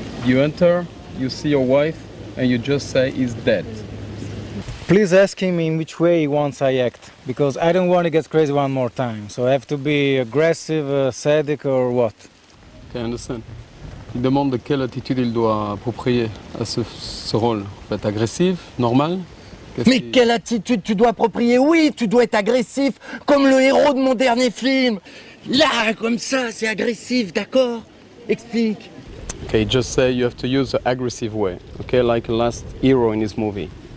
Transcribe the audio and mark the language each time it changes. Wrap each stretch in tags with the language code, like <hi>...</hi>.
<en>You enter, you see your wife, and you just say he's dead. Please ask him in which way he wants I act, because I don't want to get crazy one more time, so I have to be aggressive, sadic, or what? Okay, I understand.</en> <fr>Il demande de quelle attitude il doit approprier à ce rôle. Faites agressif, normal. Mais quelle attitude tu dois approprier? Oui, tu dois être agressif, comme le héros de mon dernier film. Là, comme ça, c'est agressif, d'accord? Explique.</fr> <en>Okay, just say you have to use the aggressive way. Okay, like the last hero in his movie.</en>